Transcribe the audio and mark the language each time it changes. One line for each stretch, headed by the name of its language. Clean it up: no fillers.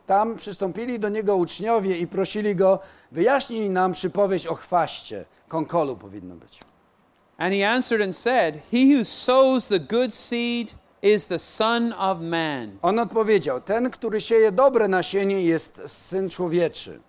Polish: Tam przystąpili do niego uczniowie i prosili go, wyjaśnij nam przypowieść o chwaście. Konkolu powinno być.
English: And he answered and said, he who sows the good seed is the Son of Man.
Polish: On odpowiedział, ten, który sieje dobre nasienie, jest Syn Człowieczy.